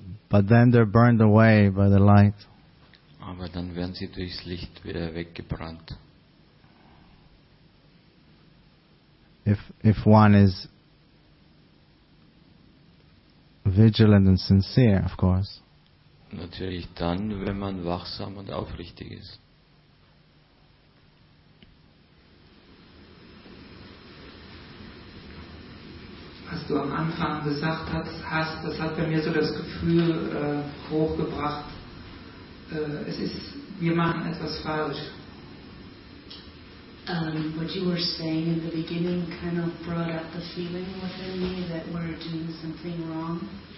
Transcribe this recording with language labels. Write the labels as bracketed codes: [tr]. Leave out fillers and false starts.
[en] But then they're burned away by the light. [de] Aber dann werden sie durchs Licht wieder weggebrannt. [en] If one is vigilant and sincere, of course. [de] Natürlich dann, wenn man wachsam und aufrichtig ist. Was du am Anfang gesagt hast, das hat bei mir so das Gefühl hochgebracht, es ist, wir machen etwas falsch. [en] What you were saying in the beginning kind of brought up the feeling within me that we're doing something wrong.